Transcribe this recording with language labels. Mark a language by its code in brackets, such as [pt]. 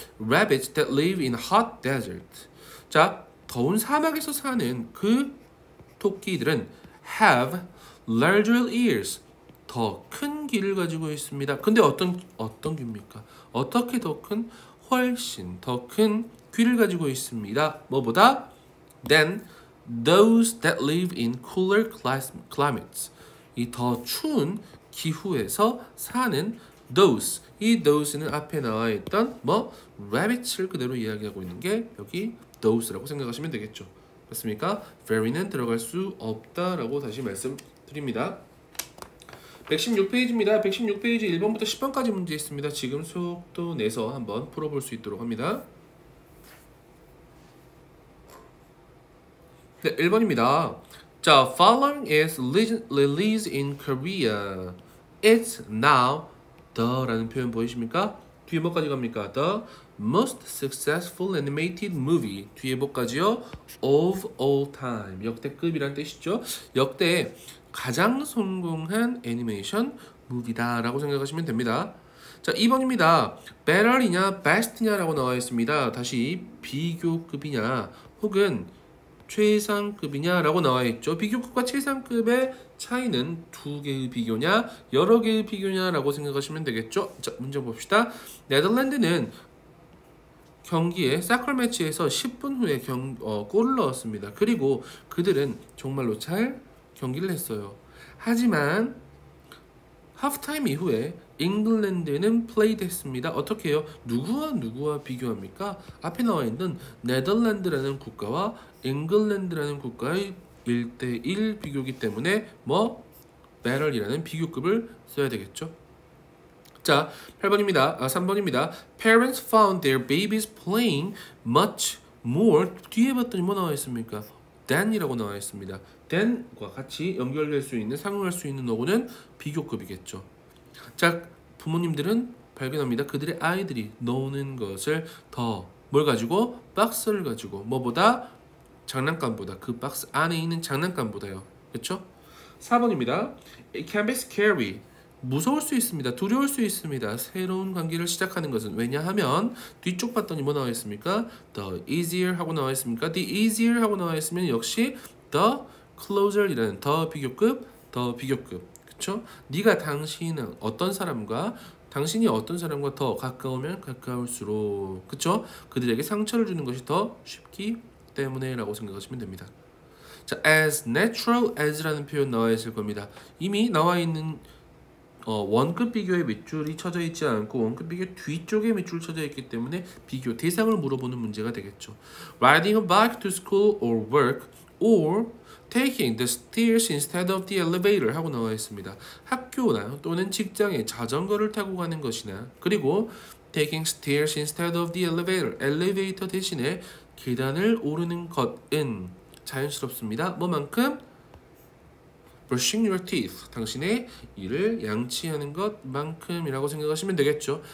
[en] Rabbits that live in hot desert. [ko] 자, 더운 사막에서 사는 그 토끼들은 [en] have larger ears. [ko] 더 큰 귀를 가지고 있습니다. 근데 어떤 귀입니까? 어떻게 더 큰? 훨씬 더 큰 귀를 가지고 있습니다. 뭐보다? [en] than those that live in cooler climates. [ko] 이 더 추운 기후에서 사는 [en] those. [ko] 이 those는 앞에 나와 있던 뭐 rabbits를 그대로 이야기하고 있는 게 여기 those라고 생각하시면 되겠죠. 그렇습니까? very는 들어갈 수 없다라고 다시 말씀드립니다. 116페이지입니다. 116페이지 1번부터 10번까지 문제 있습니다. 지금 속도 내서 한번 풀어볼 수 있도록 합니다. 네, 1번입니다. [en] 자, following is released in Korea. It's now [ko] the라는 표현 보이십니까? 뒤에 뭐까지 갑니까? [en] The most successful animated movie. [ko] 뒤에 뭐까지요? [en] Of all time. [ko] 역대급이란 뜻이죠. 역대 가장 성공한 애니메이션 무비다 라고 생각하시면 됩니다. 자, 2번입니다. better이냐 best냐 라고 나와 있습니다. 다시 비교급이냐 혹은 최상급이냐 라고 나와 있죠. 비교급과 최상급의 차이는 두 개의 비교냐 여러 개의 비교냐 라고 생각하시면 되겠죠. 자, 문제 봅시다. 네덜란드는 경기에 사커 매치에서 10분 후에 골을 넣었습니다. 그리고 그들은 정말로 잘 경기를 했어요. 하지만 하프타임 이후에 잉글랜드는 플레이드 했습니다. 어떻게 해요? 누구와 누구와 비교합니까? 앞에 나와 있는 네덜란드라는 국가와 잉글랜드라는 국가의 1대1 비교기 때문에 뭐 배럴이라는 비교급을 써야 되겠죠. 자, 8번입니다. 3번입니다. [en] Parents found their babies playing much more. [ko] 뒤에 봤더니 뭐 나와 있습니까? than이라고 나와 있습니다. than과 같이 연결될 수 있는, 상응할 수 있는 어구는 비교급이겠죠. 자, 부모님들은 발견합니다. 그들의 아이들이 노는 것을 더, 뭘 가지고? 박스를 가지고, 뭐보다? 장난감보다, 그 박스 안에 있는 장난감보다요. 그렇죠? 4번입니다. [en] It can be scary. [ko] 무서울 수 있습니다. 두려울 수 있습니다. 새로운 관계를 시작하는 것은. 왜냐하면 뒤쪽 봤더니 뭐 나와 있습니까? [en] The easier [ko] 하고 나와 있습니까? The easier 하고 나와 있으면 역시 the closer 이라는 the 비교급, the 비교급. 그쵸? 네가 당신은 어떤 사람과, 당신이 어떤 사람과 더 가까우면 가까울수록, 그쵸? 그들에게 상처를 주는 것이 더 쉽기 때문에 라고 생각하시면 됩니다. 자, as natural as 라는 표현 나와 있을 겁니다. 이미 나와 있는 원급 비교의 밑줄이 쳐져 있지 않고 원급 비교 뒤쪽에 밑줄 쳐져 있기 때문에 비교 대상을 물어보는 문제가 되겠죠. [en] Riding a bike to school or work or taking the stairs instead of the elevator 하고 나와 있습니다. [ko] 학교나 또는 직장에 자전거를 타고 가는 것이나 그리고 [en] taking stairs instead of the elevator [ko] 엘리베이터 대신에 계단을 오르는 것은 자연스럽습니다. 뭐만큼? [en] Brushing your teeth. [ko] 당신의 이를 양치하는 것만큼이라고 생각하시면 되겠죠.